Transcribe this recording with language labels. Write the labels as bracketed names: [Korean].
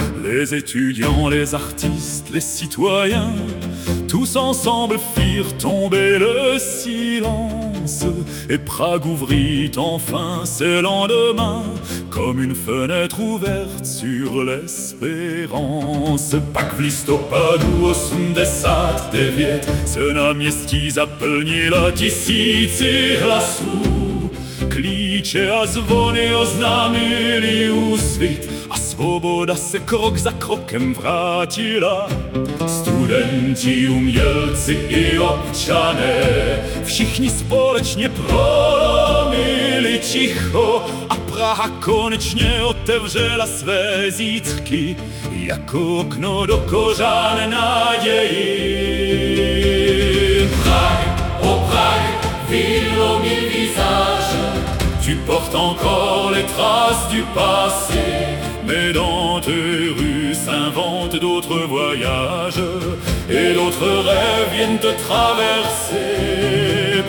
[French] Les étudiants, les artistes, les citoyens, tous ensemble firent tomber le silence, et Prague ouvrit enfin ses lendemains comme une fenêtre ouverte sur l'espérance. [Czech] Pak v listopadu 89 se na městí zaplnila tisíci hlasů, klíče a zvony oznámili úsvit a svoboda se krok za krokem vrátila. Studenti, umělci i občané, všichni společně prolomili ticho a Praha konečně otevřela své zítřky jako okno do kořán naději. [French] Prague, oh Prague, ville aux mille visages, tu portes encore les traces du passé, mais dans tes rues s'inventent d'autres voyages et d'autres rêves viennent te traverser.